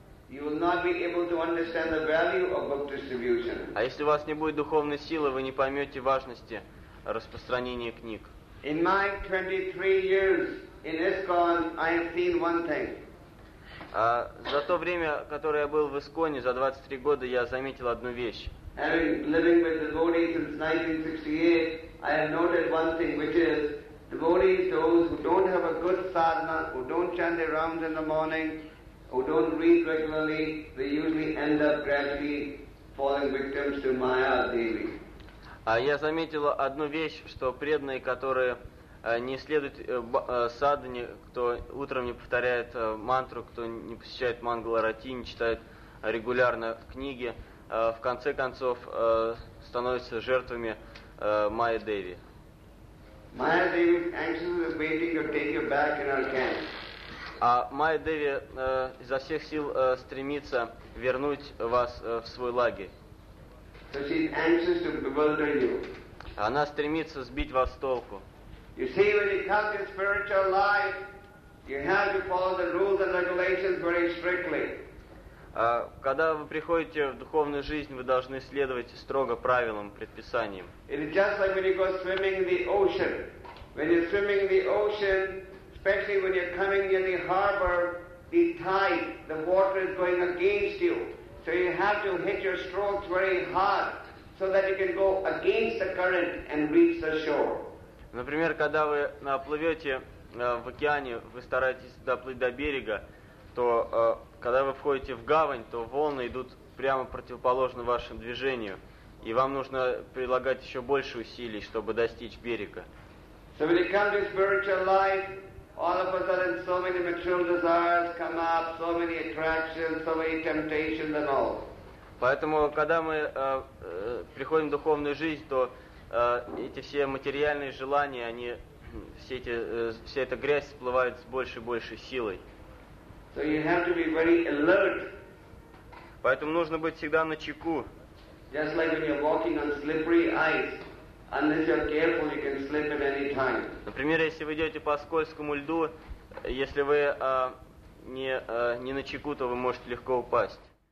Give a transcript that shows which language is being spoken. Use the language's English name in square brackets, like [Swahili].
[English] You will not be able to understand the value of book distribution. [Russian] А если у вас не будет духовной силы, вы не поймете важности распространения книг. [English] In my 23 years in ISKCON, I have seen one thing. [Russian] За то время, которое я был в ИСККОНе, за 23 года, я заметил одну вещь. [English] Having living with devotees since 1968, I have noted one thing, which is devotees, those who don't have a good sadhana, who don't chant their rounds in the morning, who don't read regularly, they usually end up gradually falling victims to Maya Devi. [Russian] Я заметил одну вещь, что преданные, которые не следуют садхане, кто утром не повторяет мантру, кто не посещает Мангаларати, не читает регулярно книги, в конце концов становятся жертвами Майя Деви. [English] Майя Деви anxiously waiting to take you back in our camp. [Russian] А Майя Деви изо всех сил стремится вернуть вас в свой лагерь. [English] So she's anxious to bewilder you. [Russian] Она стремится сбить вас с толку. [English] You see, when you come to spiritual life, you have to follow the rules and regulations very strictly. [Russian] Когда вы приходите в духовную жизнь, вы должны следовать строго правилам, предписаниям. [English] It is just like when you go swimming in the ocean. When you're swimming in the ocean, especially when you're coming near the harbor, the tide, the water is going against you. So you have to hit your strokes very hard so that you can go against the current and reach the shore. [Russian] Например, когда вы плывете в океане, вы стараетесь доплыть до берега, то когда вы входите в гавань, то волны идут прямо противоположно вашему движению, и вам нужно прилагать еще больше усилий, чтобы достичь берега. [English] So when you come to spiritual life, all of a sudden so many material desires come up, so many attractions, so many temptations and all. [Russian] Поэтому, когда мы приходим в духовную жизнь, то эти все материальные желания, они, все эти, вся эта грязь всплывает с большей и большей силой. [English] So you have to be very alert. [Russian] Поэтому нужно быть всегда на чеку. [English] Just like when you're walking on slippery ice, unless you're careful, you can slip at any time. [Russian] Например, если вы идете по скользкому льду, если вы не на чеку, то вы можете легко упасть.